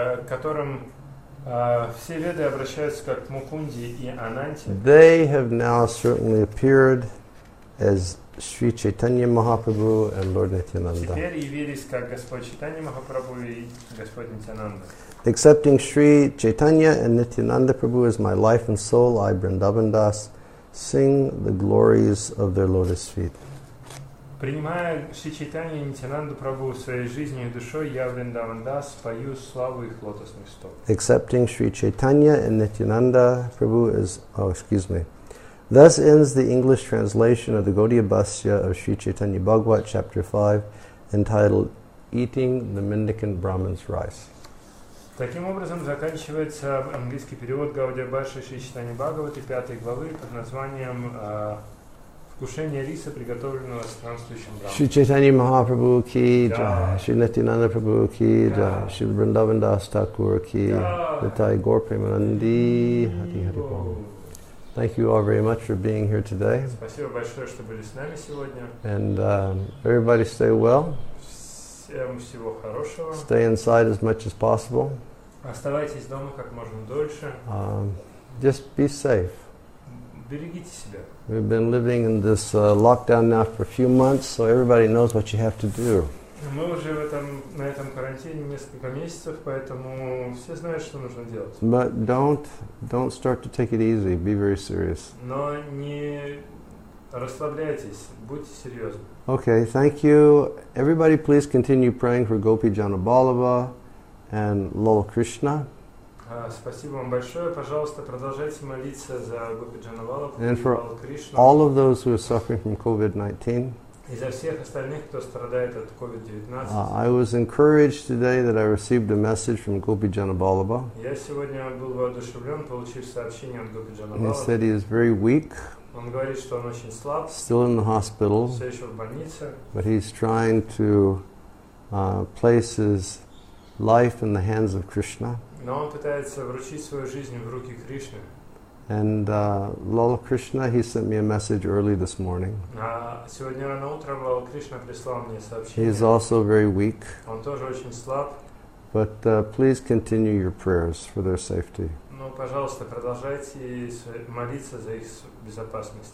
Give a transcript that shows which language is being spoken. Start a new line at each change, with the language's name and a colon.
Russian: Которым все веды обращаются как Мукунди и Ананти.
English: They have now certainly appeared as Sri Chaitanya Mahaprabhu and Lord Nityananda.
Russian: Теперь явились как Господь Чайтанья Махапрабху и Господь Нитянанда.
English: Accepting Sri Chaitanya and Nityananda Prabhu as my life and soul, I, Vrindavan Das, sing the glories of their lotus feet.
Russian: Принимая Шри Чайтанья и Нитянанду Прабху в своей жизни и душой, я, Вриндаван Дас, пою славу их лотосных стоп.
English: Accepting Sri Chaitanya and Nityananda Prabhu is... Oh, excuse me. Thus ends the English translation of the Gaudiya Bhashya of Sri Chaitanya Bhagavat, chapter 5, entitled Eating the Mendicant Brahmin's Rice.
Russian: Таким образом заканчивается английский перевод Гаудия Бхашья Шри Чайтанья Бхагаваты, 5 главы, под названием... Вкушение риса, приготовленного странствующим брахманом. Шри Чайтанья Махапрабху ки джай, Шри Нитянанда Прабху ки джай, Шри Вриндаван Дас Такур ки, Нитай Гор Премананди, Хари Хари Бол.
English: Thank you all very much for being here today.
Russian: Спасибо большое, что были с нами сегодня.
English: And everybody stay well.
Russian: Всем всего хорошего.
English: Stay inside as much as possible.
Russian: Оставайтесь дома как можно дольше.
English: Just be safe.
Russian: Берегите себя.
English: We've been living in this lockdown now for a few months, so everybody knows what you have to do.
Russian: Мы уже на этом карантине несколько месяцев, поэтому все знают, что нужно делать.
English: But don't start to take it easy. Be very serious.
Russian: Но не расслабляйтесь, будьте серьезны.
English: Okay, thank you. Everybody, please continue praying for Gopi Janabalava and Lala Krishna.
Russian: Спасибо вам большое. Пожалуйста, продолжайте молиться за Гопи Джанавалу,
English: and for all of those who are suffering from COVID-19.
Russian: И за всех остальных, кто страдает от COVID-19.
English: I was encouraged today that I received a message from Gopi Janabalava.
Russian: Я сегодня был воодушевлен, получив сообщение от Гопи Джанавалы.
English: He said he is very weak.
Russian: Он говорит, что он очень слаб.
English: Still in the hospital.
Russian: Все еще в больнице.
English: But he's trying to place his life in the hands of Krishna.
Russian: Но он пытается вручить свою жизнь в руки Кришны.
English: And Lala Krishna, he sent me a message early this morning.
Russian: Сегодня рано утром Лала Кришна прислал мне сообщение.
English: He is also very weak.
Russian: Он тоже очень слаб.
English: But please continue your prayers for their safety.
Russian: Ну, пожалуйста, продолжайте молиться за их безопасность.